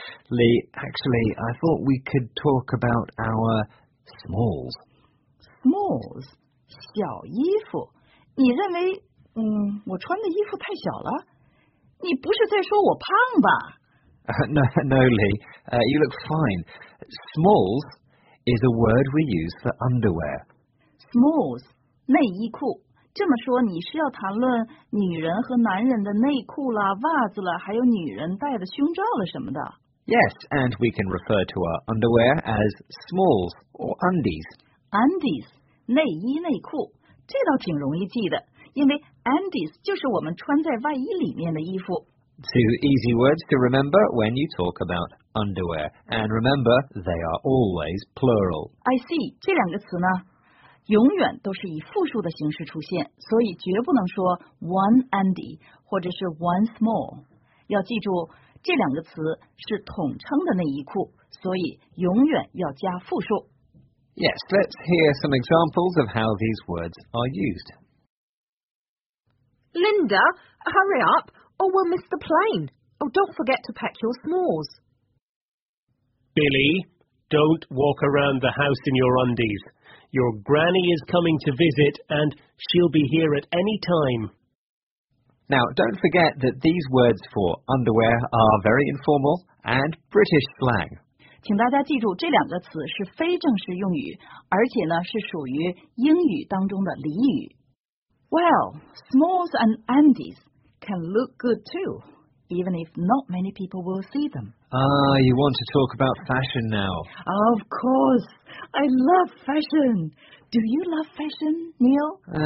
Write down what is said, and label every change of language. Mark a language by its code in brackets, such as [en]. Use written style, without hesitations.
[en] Lee, actually, I thought we could talk about our... Smalls. [zh] Smalls? 小衣服？你认为，我穿的衣服太小了？你不是在说我胖吧？ [en] No, Lee, you look fine. Smalls is a word we use for underwear. [zh] Smalls, 内衣裤。这么说，你是要谈论女人和男人的内裤啦、袜子啦，还有女人戴的胸罩了什么的？ [en] Yes, and we can refer to our underwear as smalls or undies. [zh] Undies, 内衣内裤，这倒挺容易记的，因为 undies 就是我们穿在外衣里面的衣服。 [en] Two easy words to remember when you talk about underwear. And remember, they are always plural. I see, [zh] 这两个词呢，永远都是以复数的形式出现，所以绝不能说 one undie 或者是 one small。要记住这两个词是统称的内衣裤，所以永远要加复数。 [en] Yes, let's hear some examples of how these words are used. Linda, hurry up, or we'll miss the plane. Oh, don't forget to pack your smalls. Billy, don't walk around the house in your undies. Your granny is coming to visit, and she'll be here at any time. Now, don't forget that these words for underwear are very informal and British slang. [zh] 请大家记住，这两个词是非正式用语，而且呢是属于英语当中的俚语。 [en] Well, smalls and undies can look good too, even if not many people will see them. Ah, you want to talk about fashion now? Of course, I love fashion. Do you love fashion, Neil?